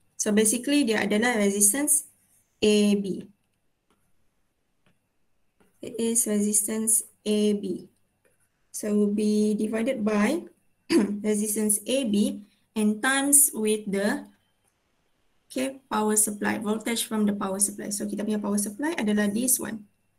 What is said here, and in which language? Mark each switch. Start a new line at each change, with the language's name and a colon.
Malay: So basically dia adalah resistance AB.
English: It is resistance AB. So it will be divided by resistance AB and times with the okay, power supply, voltage from the power supply. So
Malay: kita punya
English: power supply adalah this one.